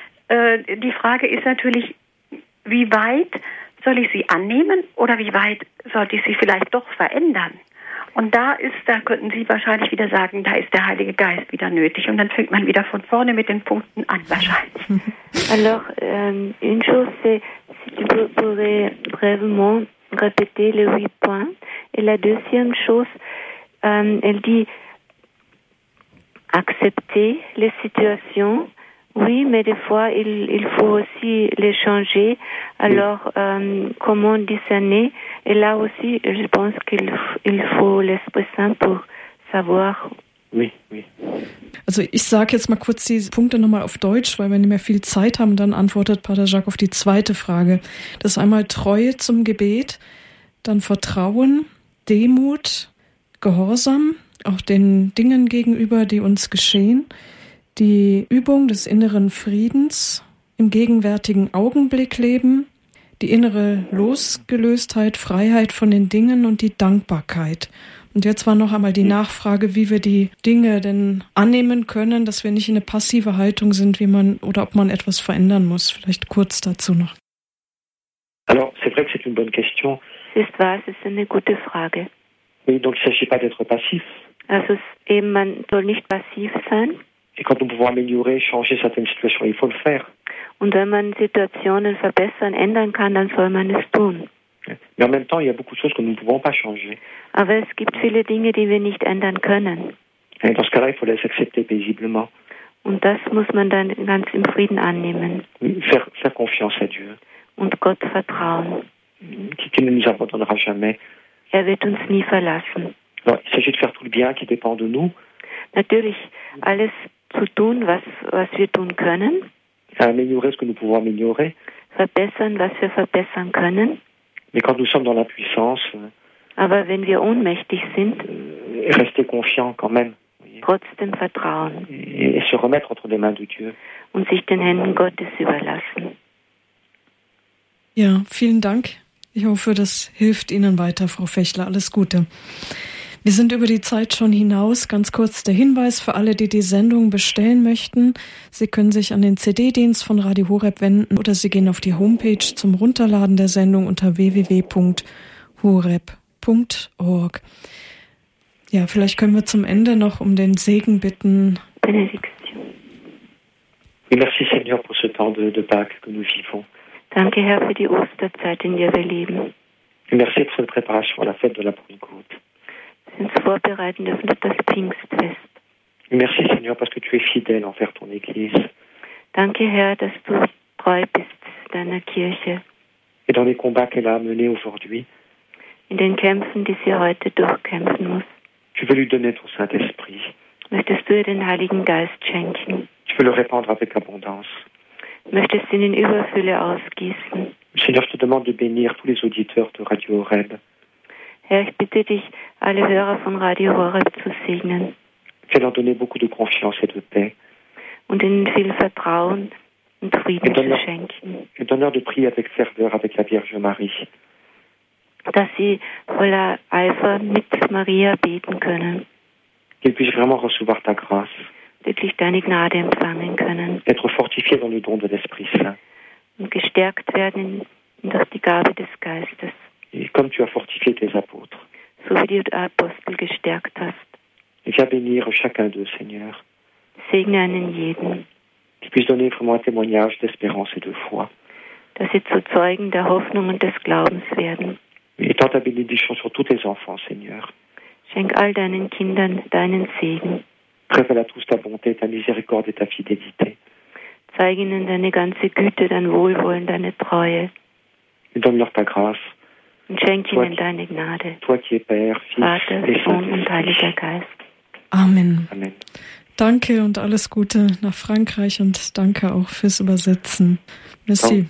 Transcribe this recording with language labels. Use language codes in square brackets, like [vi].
[de] Die Frage ist natürlich, wie weit soll ich sie annehmen oder wie weit sollte ich sie vielleicht doch verändern? Und da könnten Sie wahrscheinlich wieder sagen, da ist der Heilige Geist wieder nötig. Und dann fängt man wieder von vorne mit den Punkten an, wahrscheinlich. [fr] Alors, une chose, c'est si tu pourrais brièvement répéter les huit points. Et la deuxième chose, elle dit accepter les situations. Oui, mais des fois, il faut aussi les changer. Alors, comment discerner? Et là aussi, je pense qu'il faut l'Esprit Saint pour savoir. Oui, oui. [de] Also, ich sage jetzt mal kurz die Punkte nochmal auf Deutsch, weil wir nicht mehr viel Zeit haben. Dann antwortet Pater Jacques auf die zweite Frage. Das ist einmal Treue zum Gebet, dann Vertrauen, Demut, Gehorsam, auch den Dingen gegenüber, die uns geschehen. Die Übung des inneren Friedens, im gegenwärtigen Augenblick leben, die innere Losgelöstheit, Freiheit von den Dingen und die Dankbarkeit. Und jetzt war noch einmal die Nachfrage, wie wir die Dinge denn annehmen können, dass wir nicht in eine passive Haltung sind, wie man oder ob man etwas verändern muss. Vielleicht kurz dazu noch. [fr] Alors, c'est vrai que c'est une bonne question. [de] Ist wahr, es ist eine gute Frage. [fr] Oui, donc il s'agit pas d'être passif. [de] Also, eben, man soll nicht passiv sein. [fr] Et quand nous pouvons améliorer, changer certaines situations, il faut le faire. [de] Und wenn man Situationen verbessern, ändern kann, dann soll man es tun. [fr] Mais en même temps, il y a beaucoup de choses que nous ne pouvons pas changer. [de] Aber es gibt viele Dinge, die wir nicht ändern können. [fr] Et dans ce cas-là, il faut les accepter paisiblement. [de] Und das muss man dann ganz im Frieden annehmen. [fr] Faire confiance à Dieu. [de] Und Gott vertrauen. [fr] Qui ne nous abandonnera jamais. [de] Er wird uns nie verlassen. [fr] Alors, il s'agit de faire tout le bien qui dépend de nous. [de] Natürlich, alles zu tun, was wir tun können. [fr] Améliorer ce que nous pouvons améliorer. [de] Verbessern, was wir verbessern können. [fr] Mais quand nous sommes dans la puissance, [de] aber wenn wir ohnmächtig sind, [fr] rester confiant quand même. [de] Trotzdem vertrauen. [fr] Et se remettre entre les mains de Dieu. [de] Und sich den Händen Gottes überlassen. Ja, vielen Dank. Ich hoffe, das hilft Ihnen weiter, Frau Fächler. Alles Gute. Wir sind über die Zeit schon hinaus. Ganz kurz der Hinweis für alle, die die Sendung bestellen möchten. Sie können sich an den CD-Dienst von Radio Horeb wenden oder Sie gehen auf die Homepage zum Runterladen der Sendung unter www.horeb.org. Ja, vielleicht können wir zum Ende noch um den Segen bitten. Benediktion. [fr] Merci Seigneur pour ce temps de Pâques que nous vivons. [de] Danke Herr für die Osterzeit, in der wir leben. [fr] Merci pour cette préparation à la fête de la Pentecôte. [de] Uns vorbereiten dürfen auf das Pfingstfest. [fr] Merci Seigneur, parce que tu es fidèle envers ton Église. [de] Danke Herr, dass du treu bist deiner Kirche. [fr] Et dans les combats qu'elle a menés aujourd'hui. [de] In den Kämpfen, die sie heute durchkämpfen muss. [fr] Tu veux lui donner ton Saint-Esprit. [de] Möchtest du ihr den Heiligen Geist schenken. [fr] Tu veux le répandre avec abondance. [de] Möchtest du ihn in Überfülle ausgießen. [fr] Seigneur, je te demande de bénir tous les auditeurs de Radio Horeb. [de] Herr, ich bitte dich, alle Hörer von Radio Horeb zu segnen. [fr] Fais-leur donner beaucoup de confiance et de paix. [de] Und ihnen viel Vertrauen und Frieden zu schenken. [fr] Et donne-leur de prier avec ferveur avec la Vierge Marie. [de] Dass sie voller Eifer mit Maria beten können. [fr] Qu'ils puissent vraiment recevoir ta grâce. [de] Wirklich deine Gnade empfangen können. [fr] Être fortifié dans le don de l'Esprit Saint. [de] Und gestärkt werden durch die Gabe des Geistes. [fr] Et comme tu as fortifié tes apôtres. [de] So wie du Apostel gestärkt hast. [fr] Viens bénir chacun d'eux, Seigneur. [de] Segne einen jeden. [fr] Qu'ils puissent donner vraiment un témoignage d'espérance et de foi. [de] dass sie zu Zeugen der Hoffnung und des Glaubens werden. [fr] Et tant ta bénédiction sur tous tes enfants, Seigneur. [de] Schenk all deinen Kindern deinen Segen. [fr] Révèle à tous ta bonté, ta miséricorde et ta fidélité. [de] Zeig ihnen deine ganze Güte, dein Wohlwollen, deine Treue. [fr] Et donne-leur ta grâce. [de] Und schenk ihnen deine Gnade. [fr] Toi qui es Père, Fils, [de] Vater, Sohn und Heiliger Geist. [fr] Amen. [de] Amen. Danke und alles Gute nach Frankreich und danke auch fürs Übersetzen. Merci.